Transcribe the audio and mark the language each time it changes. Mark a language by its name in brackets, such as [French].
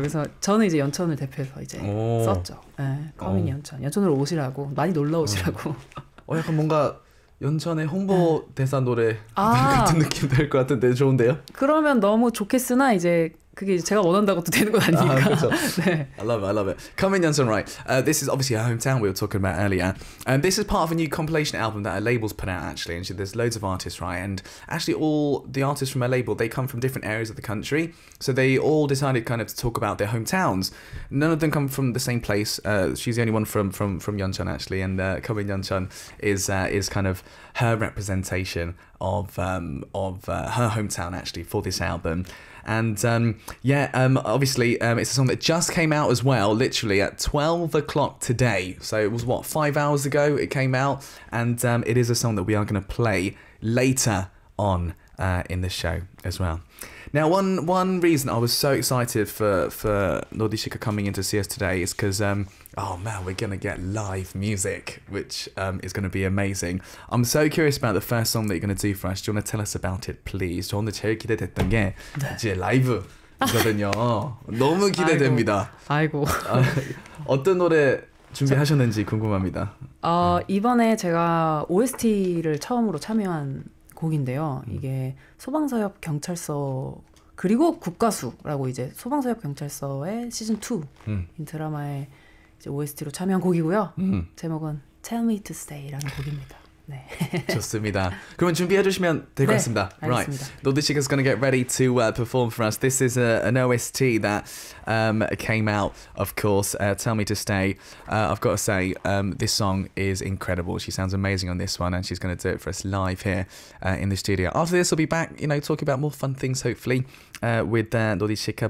[Korean] 그래서 저는 이제 연천을 대표해서 이제 썼죠. 네, 커밍 연천. 연천으로 오시라고 많이 놀러 오시라고. 약간 뭔가 연천의 홍보 대사 노래 같은 느낌 될 것 같은데 좋은데요? 그러면 너무 좋겠으나 이제 그게 제가 원한다고도 되는 건 아니니까. 그렇죠. 네. [English] I love it. Come in, Yoncheon, right? This is obviously a hometown we were talking about earlier. This is part of a new compilation album that our label's put out, actually. And there's loads of artists, right? And actually, all the artists from our label, they come from different areas of the country. So they all decided kind of to talk about their hometowns. None of them come from the same place. She's the only one from Yoncheon, actually. And Come in, Yoncheon is kind of her representation of her hometown, actually, for this album. And obviously it's a song that just came out as well, literally at 12 o'clock today. So it was, what, 5 hours ago it came out? And it is a song that we are going to play later on in the show as well. Now, one reason I was so excited for Nodishika coming in to see us today is because, oh man, we're going to get live music, which is going to be amazing. I'm so curious about the first song that you're going to do for us. Do you want to tell us about it, please? [Korean] 저는 제일 기대됐던 게 이제 라이브거든요. 너무 기대됩니다. 아이고. 어떤 노래 준비하셨는지 궁금합니다. 이번에 제가 OST를 처음으로 참여한 곡인데요. 이게 소방서협 경찰서 그리고 국가수라고 이제 소방서협 경찰서의 시즌 2 이 드라마의 이제 OST로 참여한 곡이고요. 제목은 Tell Me to Stay라는 곡입니다. 네. 좋습니다. 그러면 준비해 주시면 될 것 네, 같습니다. [English] Right. Nody Cika is going to get ready to perform for us. This is an OST that came out, of course. Tell Me to Stay. I've got to say, this song is incredible. She sounds amazing on this one, and she's going to do it for us live here in the studio. After this, we'll be back, you know, talking about more fun things, hopefully, with Nody Cika.